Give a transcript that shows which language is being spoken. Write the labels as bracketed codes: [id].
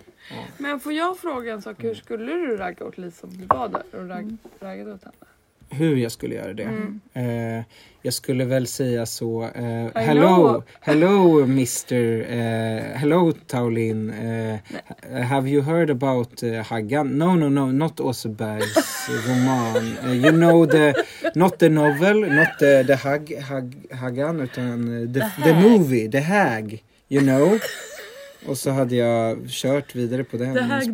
[sv] Ja. Men får jag fråga en sak, hur skulle du ragga åt Lisa om du var där och raggade åt henne? Hur jag skulle göra det? Mm. Jag skulle väl säga så, [en] hello Mr. Hello Taulin, have you heard about Haggan? No, not [sv] Åsebergs roman, [en] you know not the novel, not the Haggan, utan the movie, the Hag, you know? [sv] Och så hade jag kört vidare på det här spåret.